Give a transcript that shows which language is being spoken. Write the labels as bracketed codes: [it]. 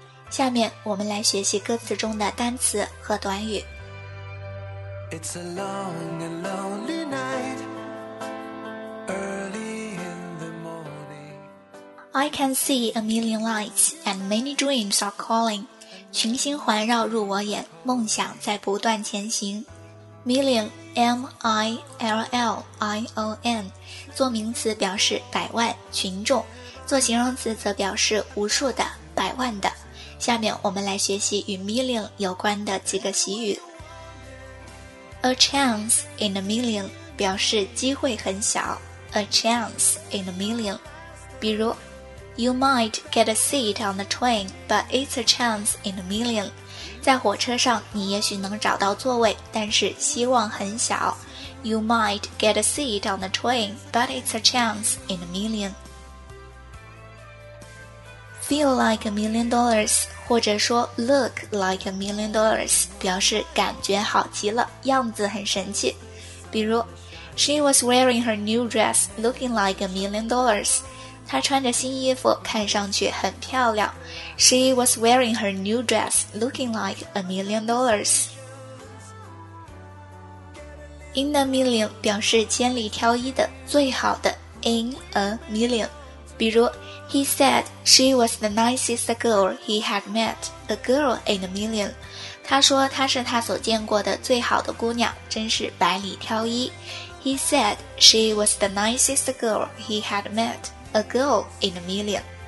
[zh] 下面我们来学习歌词中的单词和短语。 [en] It's a long and lonely night, early in the morning. I can see a million lights and many dreams are calling. [zh] 群星环绕入我眼，梦想在不断前行。 Million, M-I-L-L-I-O-N, 做名词表示百万、群众，做形容词则表示无数的、百万的。下面我们来学习与 million 有关的几个习语。 [en] A chance in a million [zh] 表示机会很小。 [en] A chance in a million, [zh] 比如 [en] You might get a seat on the train, but it's a chance in a million. [zh] 在火车上你也许能找到座位，但是希望很小。 [en] You might get a seat on the train, but it's a chance in a million. Feel like a million dollars, [zh] 或者说 [en] look like a million dollars, [zh] 表示感觉好极了，样子很神气。比如 [en] She was wearing her new dress, looking like a million dollars. [zh] 她穿着新衣服，看上去很漂亮。 [en] She was wearing her new dress, looking like a million dollars. In a million [zh] 表示千里挑一的、最好的。 [en] In a million, [zh] 比如 [en] He said she was the nicest girl he had met, a girl in a million. [zh] 他说她是他所见过的最好的姑娘，真是百里挑一。 [en] He said she was the nicest girl he had met. A girl in a million.